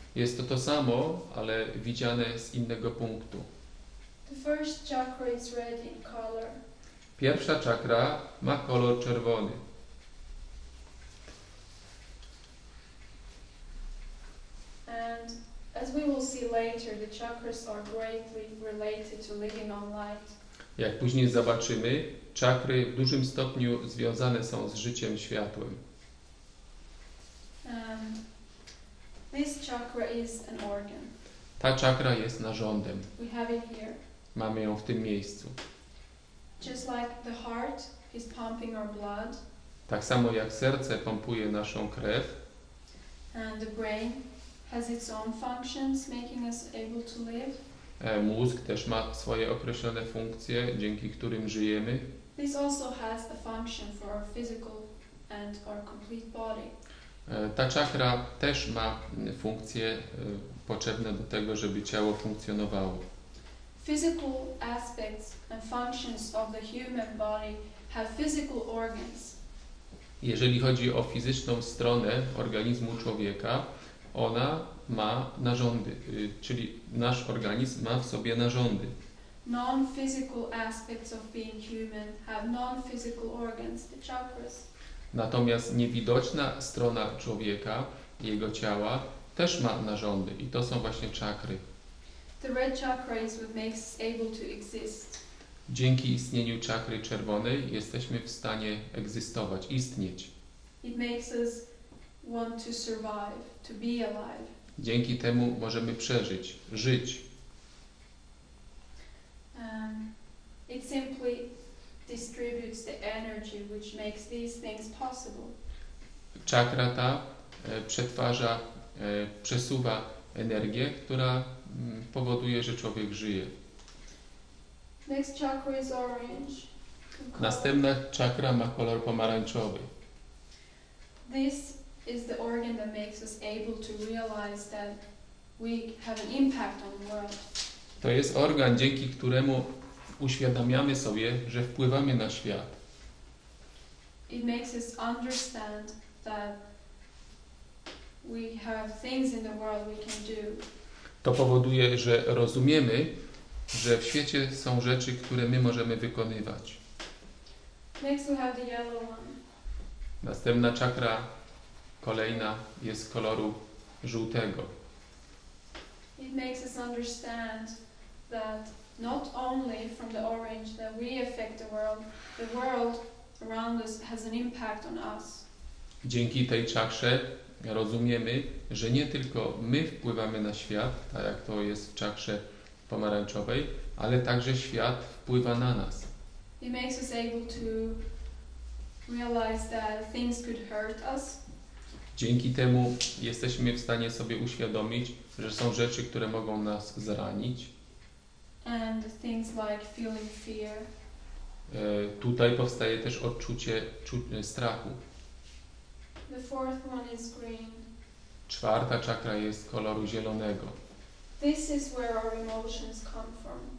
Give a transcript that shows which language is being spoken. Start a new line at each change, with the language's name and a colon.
Polish: Jest to samo, ale widziane z innego punktu.
English: The first chakra is red in color.
Polish: Pierwsza czakra ma kolor czerwony.
English: And as we will see later, the chakras are greatly related to living on light.
Polish: Jak później zobaczymy, czakry w dużym stopniu związane są z życiem światłym.
English: This chakra is an organ.
Polish: Ta czakra jest narządem.
English: We have it here.
Polish: Mamy ją w tym miejscu.
English: Just like the heart is pumping our blood.
Polish: Tak samo jak serce pompuje naszą krew.
English: And the brain has its own functions, making us able to live.
Polish: Mózg też ma swoje określone funkcje, dzięki którym żyjemy.
English: This also has a function for our physical and our complete body.
Polish: Ta czakra też ma funkcje potrzebne do tego, żeby ciało funkcjonowało.
English: Physical aspects and functions of the human body have physical organs.
Polish: Jeżeli chodzi o fizyczną stronę organizmu człowieka, ona ma narządy, czyli nasz organizm ma w sobie narządy.
English: Non-physical aspects of being human have non-physical organs, the chakras.
Polish: Natomiast niewidoczna strona człowieka, jego ciała, też ma narządy i to są właśnie czakry.
English: The red chakra is what makes us able to exist.
Polish: Dzięki istnieniu czakry czerwonej jesteśmy w stanie egzystować, istnieć.
English: It makes us want to survive, to be alive.
Polish: Dzięki temu możemy przeżyć, żyć.
English: It simply distributes the energy which makes these things possible.
Polish: Czakra ta przetwarza, przesuwa energię, która powoduje, że człowiek żyje.
English: Next chakra is orange.
Polish: Następna czakra ma kolor pomarańczowy.
English: This is the organ that makes us able to realize that we have an impact on the world.
Polish: To jest organ, dzięki któremu uświadamiamy sobie, że wpływamy na świat.
English: It makes us understand that we have things in the world we can do.
Polish: To powoduje, że rozumiemy, że w świecie są rzeczy, które my możemy wykonywać.
English: Next we have the yellow one.
Polish: Następna czakra, kolejna, jest koloru żółtego.
English: It makes us understand that not only from the orange that we affect the world around us has an impact on us.
Polish: Dzięki tej czakrze rozumiemy, że nie tylko my wpływamy na świat, tak jak to jest w czakrze pomarańczowej, ale także świat wpływa na nas.
English: It makes us able to realize that things could hurt us.
Polish: Dzięki temu jesteśmy w stanie sobie uświadomić, że są rzeczy, które mogą nas zranić.
English: And things like feeling fear.
Polish: Tutaj powstaje też odczucie strachu.
English: The fourth one is green.
Polish: Czwarta czakra jest koloru zielonego.
English: This is where our emotions come from.